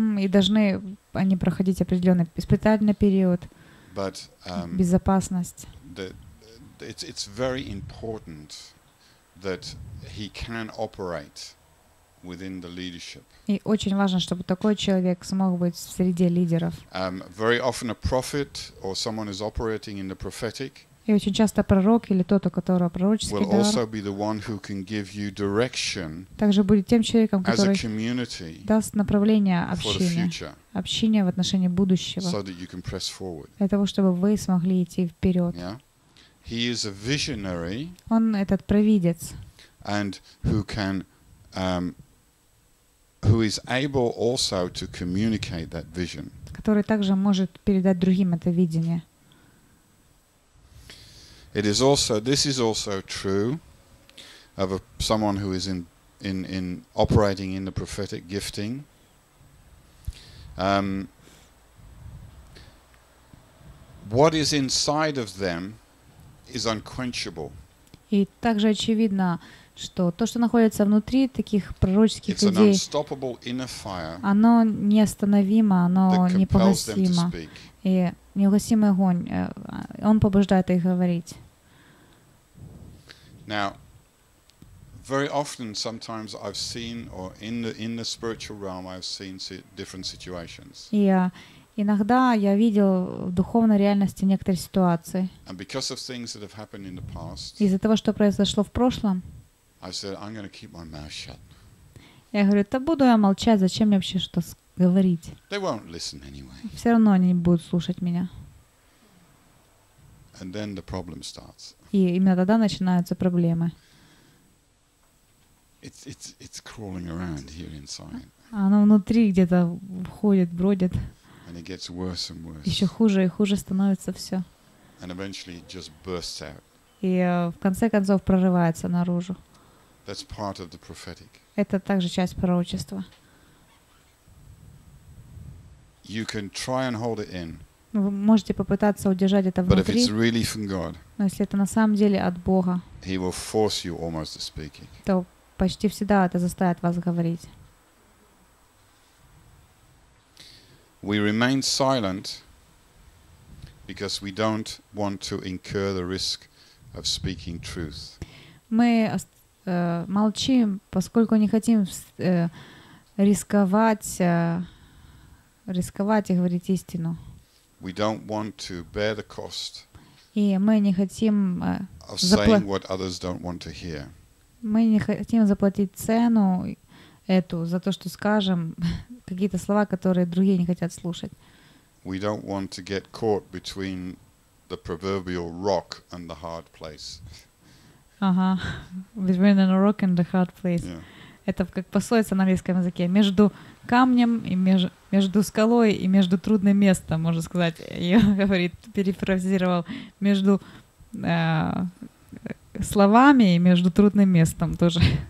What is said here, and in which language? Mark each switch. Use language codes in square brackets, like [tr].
[ru] И должны они проходить определенный испытательный период. [en] But [ru] безопасность. [en] It's very important that he can operate within the leadership. [ru] И очень важно, чтобы такой человек смог быть среди лидеров. [en] Very often a prophet or someone is operating in the prophetic. [ru] И очень часто пророк или тот, у которого пророческий [en] will [ru] дар, [en] also be the one who can give you direction [ru] также будет тем человеком, который даст направление общине в отношении будущего, [en] so that you can press forward. [ru] Для того, чтобы вы смогли идти вперед. [en] Yeah? He is a visionary, [ru] он этот провидец, [en] and who can, who is able also to communicate that vision. [ru] Который также может передать другим это видение. [en] It is also this is also true of someone who is in operating in the prophetic gifting. What is inside of them is unquenchable. [ru] И также очевидно, что то, что находится внутри таких пророческих людей, [en] it's an unstoppable inner fire. [ru] Оно неостановимо, оно непогасимо. И неугасимый огонь, он побуждает их говорить. [en] Now, very often, sometimes I've seen, or in the spiritual realm, I've seen different situations. [ru] Иногда я видел в духовной реальности некоторые ситуации. [en] And because of things that have happened in the past. [ru] Из-за того, что произошло в прошлом. [en] I said, I'm going to keep my mouth shut. [ru] Я говорю, да буду я молчать, зачем мне вообще что говорить? [en] They won't listen anyway. [ru] Все равно они не будут слушать меня. [en] And then the problem starts. [ru] И именно тогда начинаются проблемы. [en] It's crawling around here inside. [ru] Оно внутри где-то ходит, бродит. [en] And it gets worse and worse. [ru] Еще хуже и хуже становится все. [en] And eventually it just bursts out. [ru] И в конце концов прорывается наружу. [en] That's part of the prophetic. [ru] Это также часть пророчества. [en] You can try and hold it in. [ru] Вы можете попытаться удержать это [en] but [ru] внутри, [en] really God, [ru] но если это на самом деле от Бога, [en] he will force you almost to speaking. [ru] То почти всегда это заставит вас говорить. [en] We remain silent because we don't want to incur the risk of speaking truth. [ru] Мы молчим, поскольку не хотим рисковать и говорить истину. [en] We don't want to bear the cost [ru] и мы не хотим [en] of saying what others don't want to hear. [ru] Мы не хотим заплатить цену эту за то, что скажем какие-то слова, которые другие не хотят слушать. [en] We don't want to get caught between the proverbial rock and the hard place. Ага, between a rock and a hard place. Yeah. [ru] Это как пословица на английском языке. Между камнем и между скалой и между трудным местом, можно сказать. Я говорит, перефразировал. Между словами и между трудным местом тоже.